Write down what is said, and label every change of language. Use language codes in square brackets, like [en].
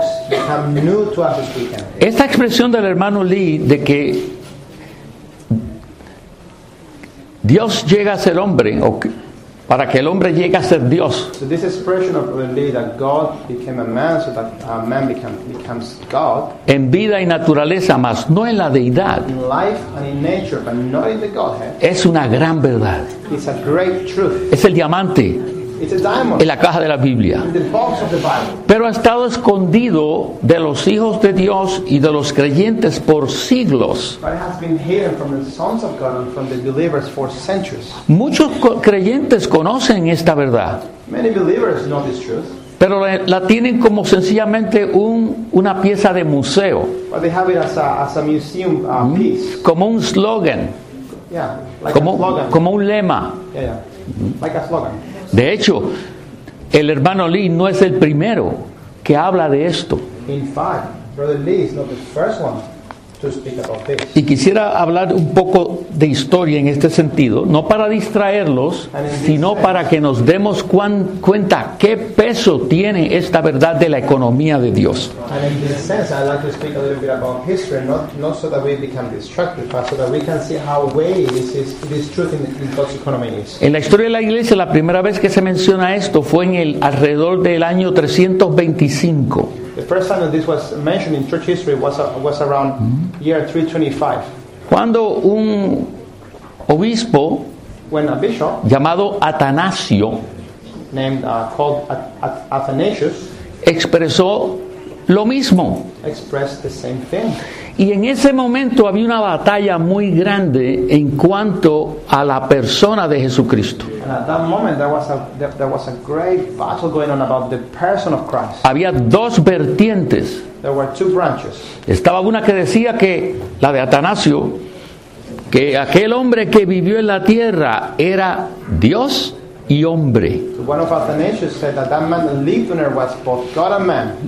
[es] Esta expresión del hermano Lee de que Dios llega a ser hombre, o que, para que el hombre llegue a ser Dios. [en] So this expression of the Lee that God became a man so that a man becomes God. [es] En vida y naturaleza, mas no en la deidad. [en] In life and in nature, but not in the Godhead. [es] Es una gran verdad. [en] It's a great truth. [es] Es el diamante. [en] It's a diamond. [es] En la caja de la Biblia. [en] In the box of the Bible. [es] Pero ha estado escondido de los hijos de Dios y de los creyentes por siglos. [en] But it has been hidden from the sons of God and from the believers for centuries. [es] Muchos creyentes conocen esta verdad. [en] Many believers know this truth. [es] Pero la tienen como sencillamente una pieza de museo. [en] But they have it as a museum piece. [es] Como un slogan. [en] Yeah, like [es] como, [en] a slogan. [es] Como un lema. [en] Yeah, like a slogan. [es] De hecho, el hermano Lee no es el primero que habla de esto. [en] In fact, Brother Lee is not the first one to speak about this. [es] Y quisiera hablar un poco de historia en este sentido, no para distraerlos, sino para que nos demos cuenta qué peso tiene esta verdad de la economía de Dios. [en] And in this sense, I'd like to speak a little bit about history, not so that we become distracted, but so that we can see how way this truth in God's economy is. [es] En la historia de la iglesia, la primera vez que se menciona esto fue en el alrededor del año 325. [en] The first time that this was mentioned in church history was around year 325. [es] Cuando un obispo, [en] when a bishop, [es] llamado Atanasio, [en] called Athanasius, [es] expresó lo mismo. [en] Expressed the same thing. [es] Y en ese momento había una batalla muy grande en cuanto a la persona de Jesucristo. [en] And at that moment there was a great battle going on about the person of Christ. [es] Había dos vertientes. [en] There were two branches. [es] Estaba una que decía que la de Atanasio, que aquel hombre que vivió en la tierra era Dios y hombre. [en] One of Athanasius said that that man that lived on earth was both God and man.